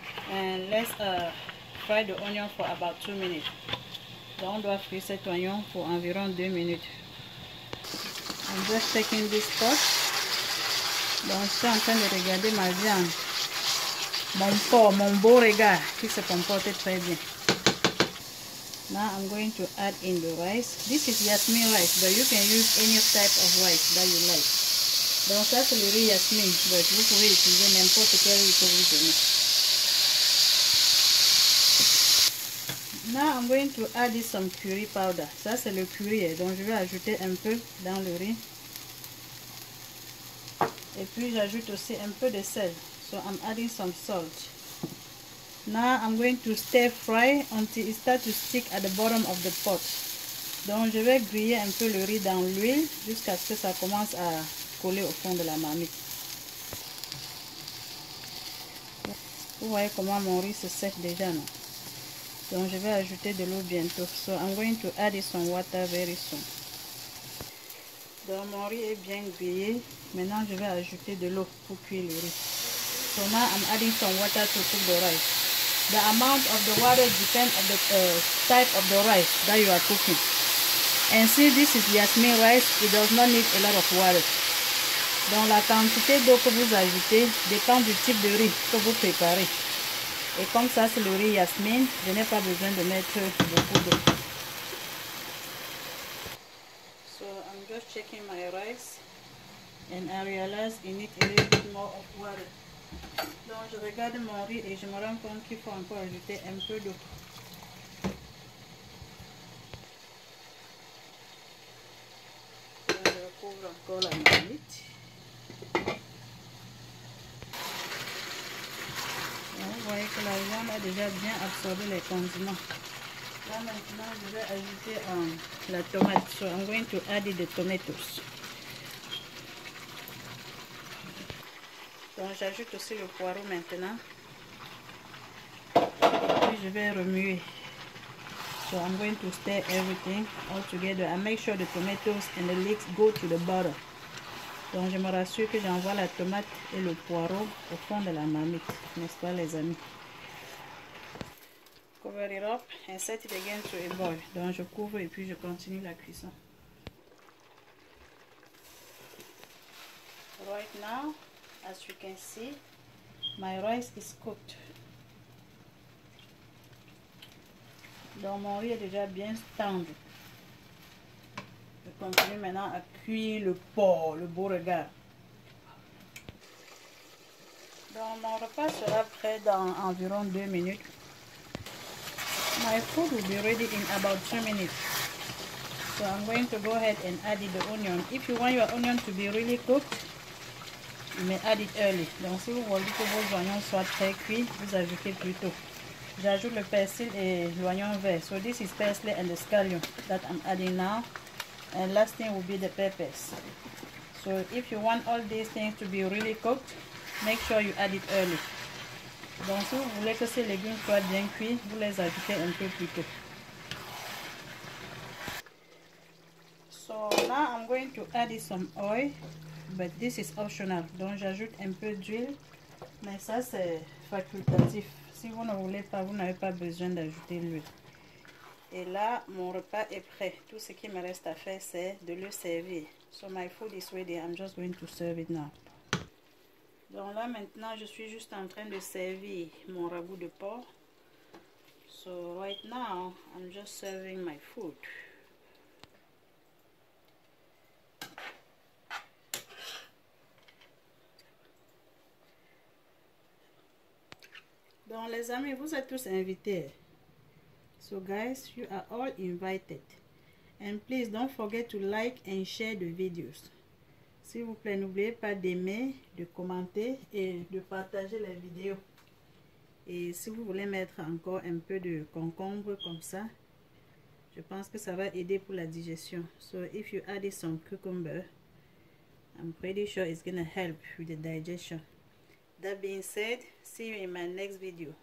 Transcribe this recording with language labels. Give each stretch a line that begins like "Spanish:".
English: And let's fry the onion for about 2 minutes.
French: Donc, on doit frire cet oignon pour environ 2 minutes.
English: I'm just checking this pot.
French: Donc, je suis en train de regarder ma viande. Mon porc, mon beau regard qui se comporte très bien.
English: Now I'm going to add in the rice. This is yasmin rice, but you can use any type of rice that you like.
French: Donc ça c'est le riz yasmin, but vous pouvez utiliser n'importe quel riz que vous aimez.
English: Now I'm going to add in some curry powder.
French: Ça c'est le curry, donc je vais ajouter un peu dans le riz. Et puis j'ajoute aussi un peu de sel.
English: So I'm adding some salt. Now I'm going to stir fry until it starts to stick at the bottom of the pot.
French: Donc je vais griller un peu le riz dans l'huile jusqu'à ce que ça commence à coller au fond de la marmite. Vous voyez comment mon riz se sèche déjà, non? Donc je vais ajouter de l'eau bientôt.
English: So I'm going to add some water very soon.
French: Donc mon riz est bien grillé. Maintenant je vais ajouter de l'eau pour cuire le riz.
English: So now I'm adding some water to cook the rice. The amount of the water depends on the type of the rice that you are cooking. And see, this is yasmin rice, it does not need a lot of water.
French: Donc la quantité d'eau que vous ajoutez dépend du type de riz que vous préparez. Et comme ça c'est le riz yasmin, je n'ai pas besoin de mettre beaucoup d'eau.
English: So I'm just checking my rice. It needs a little bit more of water.
French: Donc je regarde mon riz et je me rends compte qu'il faut encore ajouter un peu d'eau. Je recouvre encore la marmite. Vous voyez que la viande a déjà bien absorbé les condiments. Là maintenant je vais ajouter la tomate.
English: So I'm going to add the tomatoes.
French: Donc j'ajoute aussi le poireau maintenant. Puis je vais remuer.
English: So I'm going to stir everything all together. I make sure the tomatoes and the leeks go to the bottom.
French: Donc je me rassure que j'envoie la tomate et le poireau au fond de la marmite, n'est-ce pas les amis?
English: Cover it up and set it again to a boil.
French: Donc je couvre et puis je continue la cuisson.
English: Right now, as you can see, my rice is cooked.
French: Donc mon riz est déjà bien tendre. Je continue maintenant à cuire le porc, le beau regard. Donc mon repas sera prêt dans environ 2 minutes.
English: My food will be ready in about 3 minutes. So I'm going to go ahead and add the onion. If you want your onion to be really cooked, you may add it early.
French: Donc si vous voulez que vos oignons soient très cuits, vous ajoutez plus tôt. J'ajoute le persil et l'oignon vert.
English: So this is parsley and the scallion that I'm adding now. And last thing will be the peppers. So if you want all these things to be really cooked, make sure you add it early.
French: Donc si vous voulez que ces légumes soient bien cuits, vous les ajoutez un peu plus tôt.
English: So now I'm going to add some oil, but this is optional.
French: Donc j'ajoute un peu d'huile, mais ça c'est facultatif. Si vous ne voulez pas, vous n'avez pas besoin d'ajouter l'huile. Et là, mon repas est prêt. Tout ce qui me reste à faire, c'est de le servir.
English: So my food is ready. I'm just going to serve it now.
French: Donc là, maintenant, je suis juste en train de servir mon ragoût de porc.
English: So right now, I'm just serving my food.
French: Donc les amis, vous êtes tous invités.
English: So guys, you are all invited. And please don't forget to like and share the videos.
French: S'il vous plaît, n'oubliez pas d'aimer, de commenter et de partager la vidéo. Et si vous voulez mettre encore un peu de concombre comme ça, je pense que ça va aider pour la digestion.
English: So if you add some cucumber, I'm pretty sure it's gonna help with the digestion. That being said, see you in my next video.